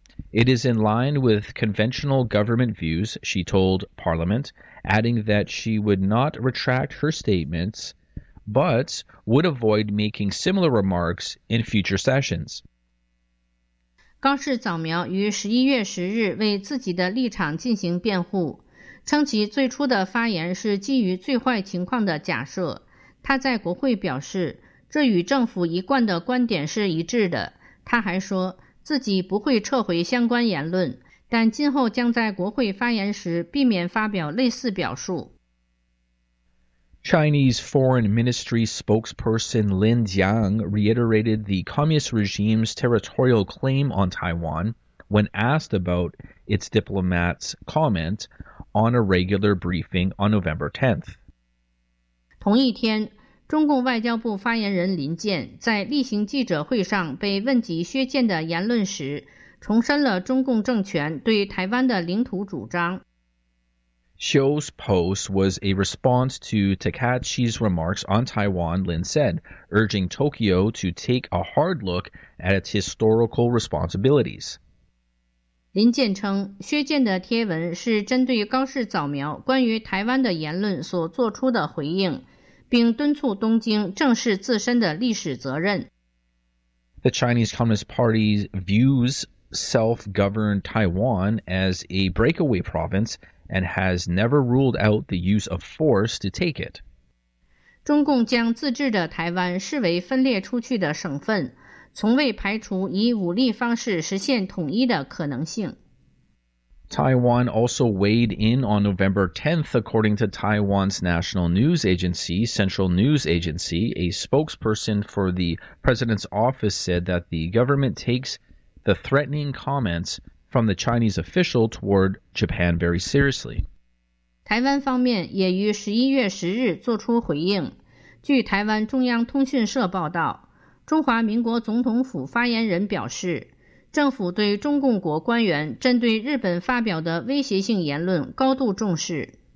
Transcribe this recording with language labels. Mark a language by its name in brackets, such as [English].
[English] It is in line with conventional government views, she told Parliament, adding that she would not retract her statements, but would avoid making similar remarks in future sessions. [Chinese] 高市早苗于11月10日为自己的立场进行辩护，称其最初的发言是基于最坏情况的假设。他在国会表示，这与政府一贯的观点是一致的。他还说，自己不会撤回相关言论，但今后将在国会发言时避免发表类似表述。 [English] Chinese Foreign Ministry spokesperson Lin Jiang reiterated the communist regime's territorial claim on Taiwan when asked about its diplomats' comment on a regular briefing on November 10th. [Chinese] 同一天，中共外交部发言人林健在例行记者会上被问及削舰的言论时，重申了中共政权对台湾的领土主张。 [English] Xiu's post was a response to Takachi's remarks on Taiwan, Lin said, urging Tokyo to take a hard look at its historical responsibilities. [Chinese] 林健称，削舰的贴文是针对高市早苗关于台湾的言论所做出的回应，并敦促东京正视自身的历史责任。 [English] The Chinese Communist Party views self-governed Taiwan as a breakaway province and has never ruled out the use of force to take it. [Chinese] 中共将自治的台湾视为分裂出去的省份，从未排除以武力方式实现统一的可能性。 [English] Taiwan also weighed in on November 10th, according to Taiwan's national news agency, Central News Agency. A spokesperson for the president's office said that the government takes the threatening comments from the Chinese official toward Japan very seriously. [Chinese] 台湾方面也于11月10日作出回应。据台湾中央通讯社报道，中华民国总统府发言人表示，政府对中共国官员针对日本发表的威胁性言论高度重视。